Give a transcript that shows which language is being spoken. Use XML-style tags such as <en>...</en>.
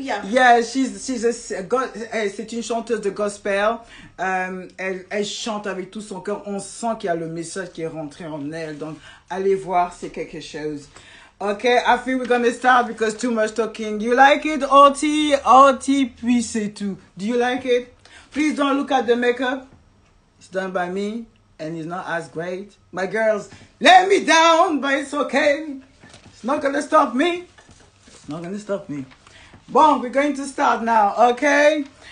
<en>Yeah,</en> <fr>c'est une chanteuse de gospel. Elle chante avec tout son cœur. On sent qu'il y a le message qui est rentré en elle. Donc, allez voir, c'est quelque chose.</fr> <en>Okay, I think we're gonna start because too much talking. You like it, Auntie,</en> <fr>puis c'est tout.</fr> <en>Do you like it? Please don't look at the makeup. It's done by me. And it's not as great. My girls, let me down, but it's okay. It's not gonna stop me. It's not gonna stop me.</en> <fr>Bon,</fr> <en>we're going to start now, okay?</en>